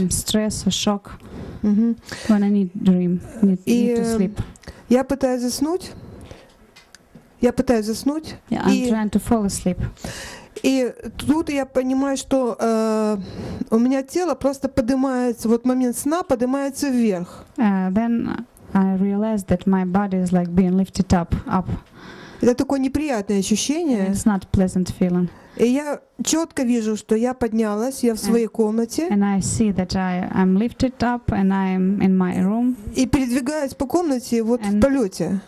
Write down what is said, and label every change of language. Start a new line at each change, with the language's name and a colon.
English: Some stress or shock. Mm-hmm. When I need to sleep.
Russian: Я пытаюсь заснуть.
English: Yeah, I'm trying to fall asleep.
Russian: И тут я понимаю, что у меня тело просто поднимается, вот момент сна поднимается вверх.
English: Then I realize that my body is like being lifted up.
Russian: Это такое неприятное ощущение.
English: It's not pleasant feeling.
Russian: И я чётко вижу, что я поднялась, я в своей комнате.
English: And I see that I'm lifted up and I'm in my room.
Russian: И передвигаюсь по комнате вот в полёте.